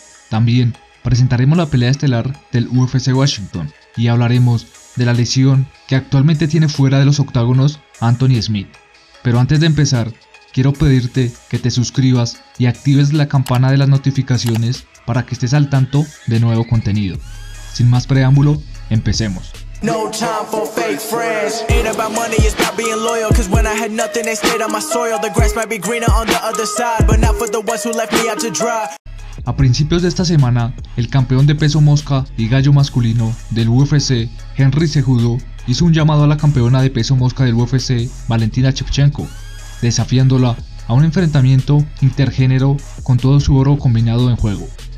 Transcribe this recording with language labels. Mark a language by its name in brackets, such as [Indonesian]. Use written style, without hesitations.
[Spanish] También, presentaremos la pelea estelar del UFC Washington y hablaremos de la lesión que actualmente tiene fuera de los octágonos Anthony Smith. Pero antes de empezar, quiero pedirte que te suscribas y actives la campana de las notificaciones para que estés al tanto de nuevo contenido. Sin más preámbulo, empecemos. [English] No time for fake friends. Ain't about money, it's about being loyal. Cause when I had nothing, they stayed on my soil. The grass might be greener on the other side, but not for the ones who left me out to dry. [Spanish] A principios de esta semana, el campeón de peso mosca y gallo masculino del UFC, Henry Cejudo, hizo un llamado a la campeona de peso mosca del UFC, Valentina Shevchenko, desafiándola a un enfrentamiento intergénero con todo su oro combinado en juego.